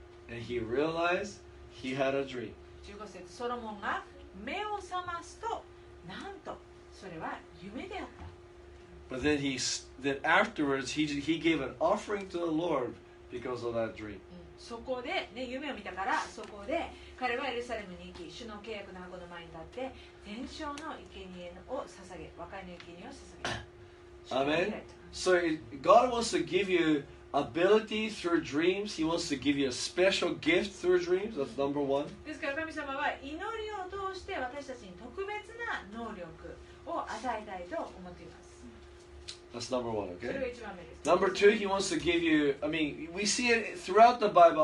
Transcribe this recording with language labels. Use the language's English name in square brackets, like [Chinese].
[English] And he realized he had a dream. [Japanese] 15節、ソロモンが目を覚ますと、なんとそれは夢であった。 [English] But then he, then afterwards he gave an offering to the Lord because of that dream. [Japanese] そこで、ね、夢を見たから、そこで彼はエルサレムに行き、主の契約の箱の前に立って、全焼の生贄を捧げ、和解の生贄を捧げ。 [English] Amen. So God wants to give you ability through dreams. He wants to give you a special gift through dreams. That's number one. [Japanese] ですから神様は祈りを通して私たちに特別な能力を与えたいと思っています。 [English] That's number one, okay? Number two, he wants to give you, I mean, we see it throughout the Bible.